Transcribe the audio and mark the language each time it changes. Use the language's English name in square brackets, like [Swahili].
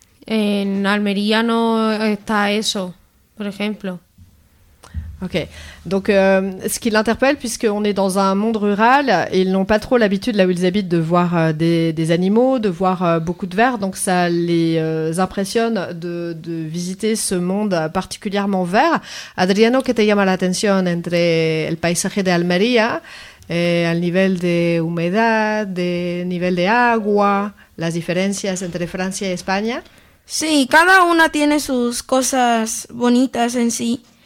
[Spanish] En Almería no está eso, por ejemplo. [French] Ok, donc ce qui l'interpelle, puisqu'on est dans un monde rural, ils n'ont pas trop l'habitude, là où ils habitent, de voir des animaux, de voir beaucoup de vert, donc ça les impressionne de visiter ce monde particulièrement vert. [Spanish] Adriano, ¿qué te llama la atención entre el paisaje de Almería, al nivel de humedad, de nivel de agua, las diferencias entre Francia y España? Sí, cada una tiene sus cosas bonitas en sí.